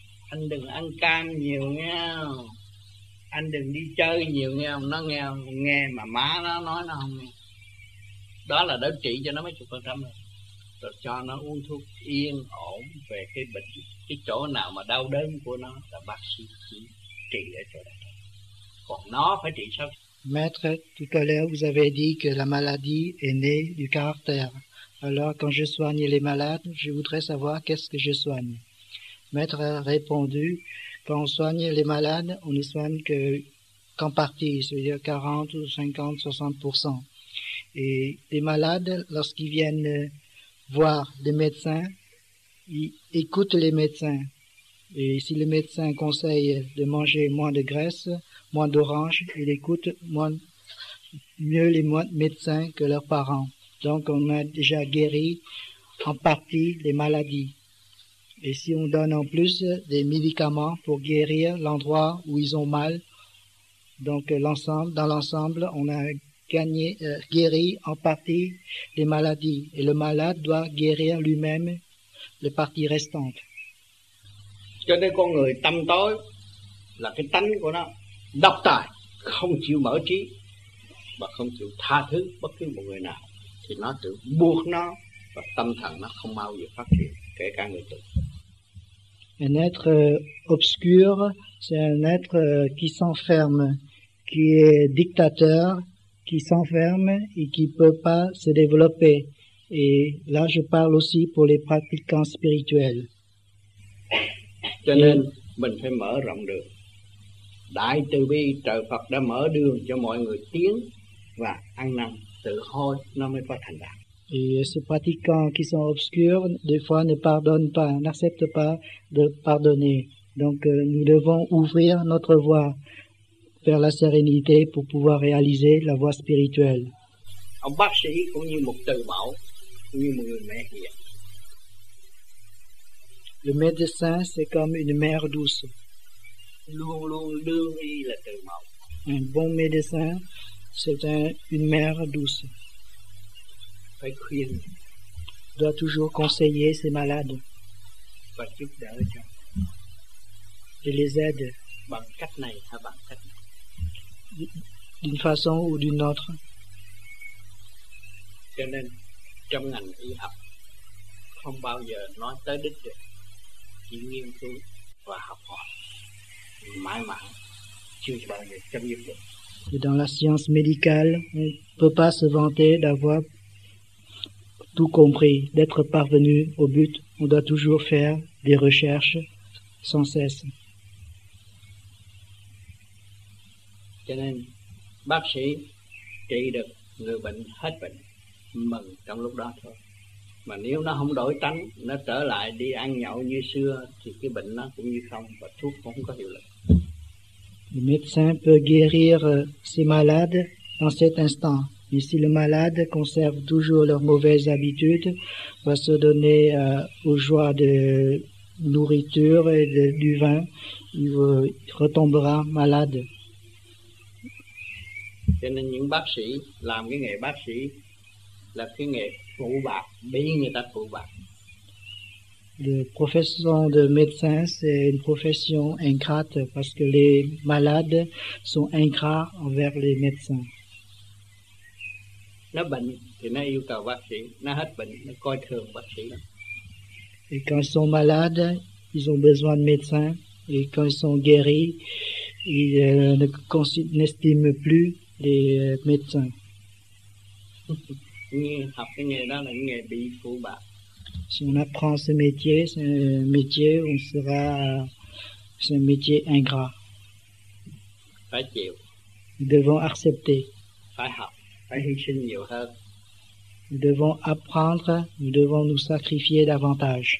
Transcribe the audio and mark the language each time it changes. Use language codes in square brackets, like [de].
[vi] Anh đừng ăn cam nhiều nha. Anh đừng đi chơi nhiều nghe không? Nó nghe không? Nghe mà má nó nói nó không nghe. Đó là đỡ trị cho nó mấy chục phần trăm rồi. Rồi cho nó uống thuốc yên ổn về cái bệnh. Cái chỗ nào mà đau đớn của nó là bác sĩ chỉ trị ở chỗ đó. Còn nó phải trị sao? [fr] Maître, tout à l'heure vous avez dit que la maladie est née du caractère. Alors, quand je soigne les malades, je voudrais savoir qu'est-ce que je soigne. Maître a répondu, quand on soigne les malades, on ne soigne qu'en partie, c'est-à-dire 40 ou 50, 60%. Et les malades, lorsqu'ils viennent voir des médecins, ils écoutent les médecins. Et si le médecin conseille de manger moins de graisse, moins d'orange, il écoute mieux les médecins que leurs parents. Donc on a déjà guéri en partie les maladies. Et si on donne en plus des médicaments pour guérir l'endroit où ils ont mal, donc l'ensemble, dans l'ensemble, on a gagné, guéri en partie les maladies. Et le malade doit guérir lui-même les parties restantes. [vi] Cho nên con người tâm tối là cái tánh của nó độc tài, không chịu mở trí và không chịu tha thứ bất cứ một người nào, thì nó tự buộc nó và tâm thần nó không bao giờ phát triển, kể cả người tu. [fr] Un être obscur, c'est un être qui s'enferme, qui est dictateur, qui s'enferme et qui peut pas se développer. Et là, je parle aussi pour les pratiquants spirituels. [vi] Cho nên mình phải mở rộng đường. Đại từ bi trời Phật đã mở đường cho mọi người tiến và ăn năn tự hối, nó mới có thành đạt. [fr] Et ces pratiquants qui sont obscurs, des fois ne pardonnent pas, n'acceptent pas de pardonner. Donc nous devons ouvrir notre voie vers la sérénité pour pouvoir réaliser la voie spirituelle. [vi] Ông bác sĩ cũng như một từ mẫu, như một người mẹ hiền. [fr] Le médecin, c'est comme une mère douce. [vi] Luôn luôn đương y là từ mẫu. [fr] Un bon médecin, c'est une mère douce. [vi] Phải khuyên. [fr] Doit toujours conseiller ses malades. [vi] Và giúp đỡ cho. [fr] Et les aide. [vi] Bằng cách này hay bằng cách này. [fr] D'une façon ou d'une autre. [vi] Cho nên, trong ngành y học, không bao giờ nói tới đích được. Chỉ nghiên cứu và học hỏi mãi mãi chưa bao giờ chấm dứt được. [fr] Et dans la science médicale, on peut pas se vanter d'avoir tout compris, d'être parvenu au but. On doit toujours faire des recherches sans cesse. [vi] Cho nên bác sĩ trị được người bệnh hết bệnh mừng trong lúc đó thôi. Mà nếu nó không đổi tánh, nó trở lại đi ăn nhậu như xưa, thì cái bệnh nó cũng như không, và thuốc cũng không có hiệu lực. [fr] Le médecin peut guérir ses malades dans cet instant. Mais si le malade conserve toujours leurs mauvaises habitudes, va se donner aux joies de nourriture et du vin, il retombera malade. [vi] Cho nên những bác sĩ làm cái nghề bác sĩ là cái nghề phụ bạc, bị người ta phụ bạc. [fr] La profession de médecin, c'est une profession ingrate parce que les malades sont ingrats envers les médecins. [vi] Nó bệnh thì nó yêu cầu bác sĩ, nó hết bệnh nó coi thường bác sĩ. [fr] Et quand ils sont malades, ils ont besoin de médecins. Et quand ils sont guéris, ils n'estiment plus les médecins. [vi] Học cái nghề đó là nghề bị phụ bạc. [fr] Si on apprend ce métier, c'est un métier où on sera, c'est un métier ingrat. [vi] Phải chịu. [fr] Nous devons accepter. [vi] Phải học, phải hy sinh nhiều hơn. [fr] Nous devons apprendre, nous devons nous sacrifier davantage.